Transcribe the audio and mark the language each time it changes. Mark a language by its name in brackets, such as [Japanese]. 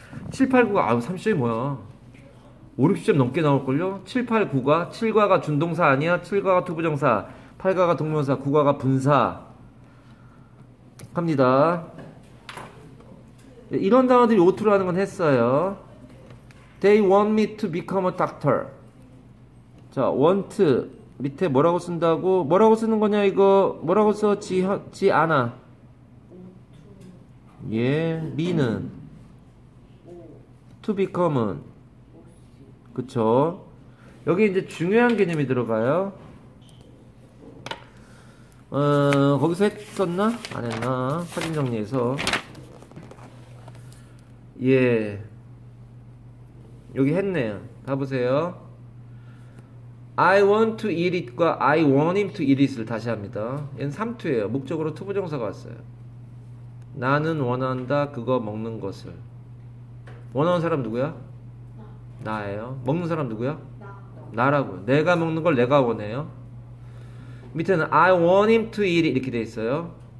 [Korean] 7, 8, 9가, 아, 30점이 뭐야. 5, 60점 넘게 나올걸요? 7, 8, 9가? 7과가 준동사 아니야? 7과가 투부정사. 8가가 동명사, 9가가 분사 갑니다. 이런 단어들이 오투로 하는 건 했어요. [English] They want me to become a doctor. [Korean] 자, want 밑에 뭐라고 쓴다고? 뭐라고 쓰는 거냐 이거? 뭐라고 써? 지 않아. 예, me는 to become은 그쵸. 여기 이제 중요한 개념이 들어가요. 거기서 했었나? 안 했나? 사진 정리해서. 예. 여기 했네요. 가보세요. [English] I want to eat it과 I want him to eat it을 [Korean] 다시 합니다. 얘는 3투예요. 목적으로 투부정사가 왔어요. 나는 원한다, 그거 먹는 것을. 원하는 사람 누구야? 나. 나예요. 먹는 사람 누구야? 나. 나라고요. 내가 먹는 걸 내가 원해요. 밑에는 [English] I want him to eat [Korean] 이렇게 돼 있어요.